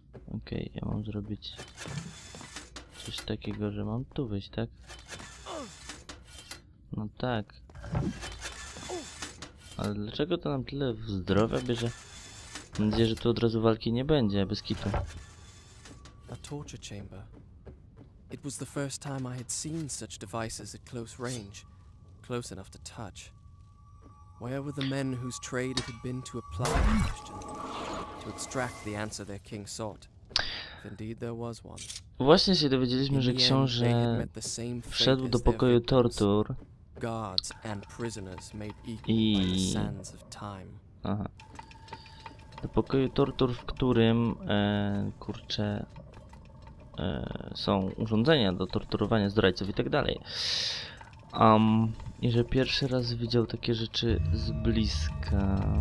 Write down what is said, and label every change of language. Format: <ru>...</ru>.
<pl>Okej, okay, ja mam zrobić coś takiego, że mam tu wyjść, tak? No tak. Ale dlaczego to nam tyle zdrowia bierze? Mam nadzieję, że tu od razu walki nie będzie, bez kitu.</pl> <en>A torture chamber. It was the first time I had seen such devices at close range. Close enough to touch. Where were the men whose trade it had been to apply the question, to extract the answer their king sought? If indeed there was one.</en> <pl>Właśnie się dowiedzieliśmy, że książę wszedł do pokoju tortur.</pl> <en>Guards and prisoners made equal by the sands of time. Aha.</en> <pl>Do pokoju tortur, w którym kurczę są urządzenia do torturowania zdrajców i tak dalej. I że pierwszy raz widział takie rzeczy z bliska.</pl>